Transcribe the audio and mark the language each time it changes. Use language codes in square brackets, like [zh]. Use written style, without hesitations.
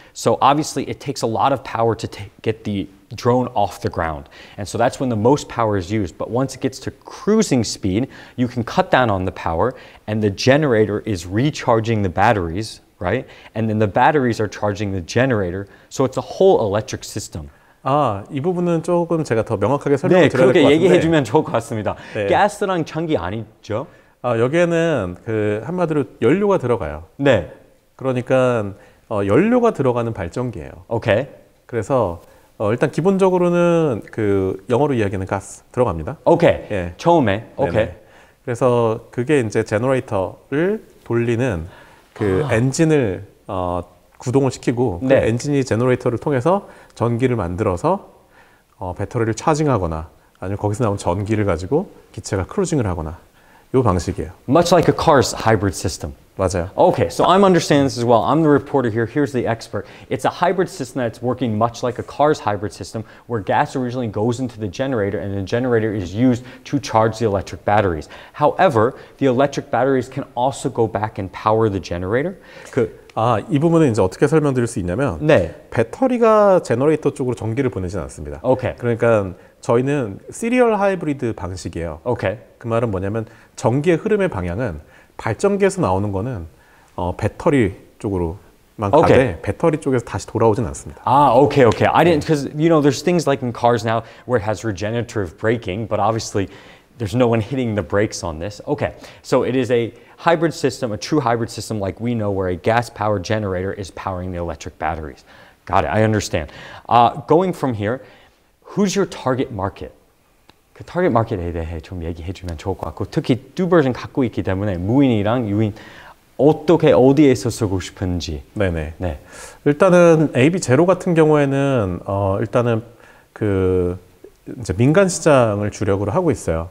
[en] So obviously it takes a lot of power to get the drone off the ground. And so that's when the most power is used. But once it gets to cruising speed, you can cut down on the power and the generator is recharging the batteries, right? And then the batteries are charging the generator. So it's a whole electric system. [ko] 아, 이 부분은 조금 제가 더 명확하게 설명을 드려야 될 것 같은데. 네, 그렇게 얘기해 주면 좋을 것 같습니다. 네. 가스랑 전기 아니죠? 아, 여기에는 그 한마디로 연료가 들어가요. 네. 그러니까 연료가 들어가는 발전기예요. 오케이. 그래서 일단 기본적으로는 그 영어로 이야기하는 가스 들어갑니다. 오케이. 예. 처음에. 오케이. 그래서 그게 이제 제너레이터를 돌리는 그 엔진을 구동을 시키고 네. 그 엔진이 제너레이터를 통해서 전기를 만들어서 배터리를 차징하거나 아니면 거기서 나온 전기를 가지고 기체가 크루징을 하거나 이 방식이에요. [en] Much like a car's hybrid system. [ko] 맞아요. [en] Okay, so I'm understanding this as well. I'm the reporter here. Here's the expert. It's a hybrid system that's working much like a car's hybrid system, where gas originally goes into the generator, and the generator is used to charge the electric batteries. However, the electric batteries can also go back and power the generator. [ko] 이 부분은 이제 어떻게 설명드릴 수 있냐면, 네. 배터리가 제너레이터 쪽으로 전기를 보내진 않습니다. [en] Okay. [ko] 그러니까 저희는 시리얼 하이브리드 방식이에요. [en] Okay. [ko] 그 말은 뭐냐면 전기의 흐름의 방향은 발전기에서 나오는 거는 배터리 쪽으로만 가되 okay. 배터리 쪽에서 다시 돌아오진 않습니다. [en] 아, okay, okay. I didn't because you know there's things like in cars now where it has regenerative braking, but obviously there's no one hitting the brakes on this. Okay, so it is a hybrid system, a true hybrid system like we know, where a gas-powered generator is powering the electric batteries. Got it. I understand. Going from here, who's your target market? [ko] 그 타겟 마켓에 대해 좀 얘기해 주면 좋을 것 같고 특히 두 버전 갖고 있기 때문에 무인이랑 유인 어떻게 어디에서 쓰고 싶은지 네네 네. 일단은 AB 제로 같은 경우에는 일단은 그 이제 민간 시장을 주력으로 하고 있어요.